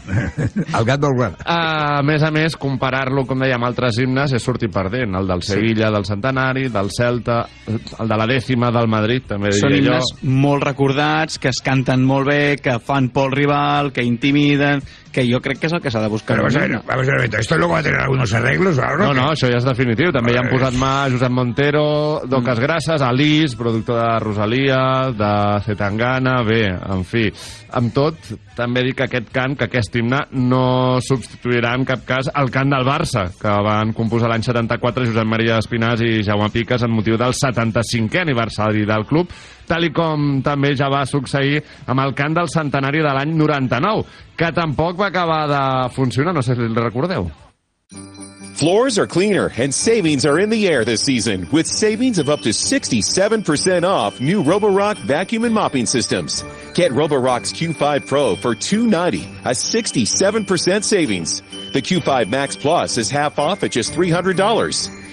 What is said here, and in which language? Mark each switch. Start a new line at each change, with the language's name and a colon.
Catalan: El gat blaugrana. A més, comparar-lo, com dèiem, amb altres himnes és sortir perdent. El del Sevilla, sí. Del Centenari, del Celta, el de la dècima del Madrid, també diria jo. Són himnes jo. Molt recordats, que es canten molt bé, que fan por al rival, que intimiden... que jo crec que és el que s'ha de buscar.
Spanish: Vamos a ver, esto luego va a tener algunos arreglos, ¿verdad?
Catalan: No, això ja és definitiu. També hi han posat mà Josep Montero, Docas Grasses, Alice, productor de Rosalia, de Zetangana, bé, en fi. Amb tot, també dic que aquest cant, que aquest himne, no substituirà en cap cas el cant del Barça, que van composar l'any 74 Josep Maria Espinàs i Jaume Piques en motiu del 75è aniversari del club, tal com també ja va succeir amb el cant del centenari de l'any 99, que tampoc va acabar de funcionar, no sé si el recordeu.
English: Floors are cleaner and savings are in the air this season with savings of up to 67% off new Roborock vacuum and mopping systems. Get Roborock's Q5 Pro for $290, a 67% savings. The Q5 Max Plus is half off at just $300.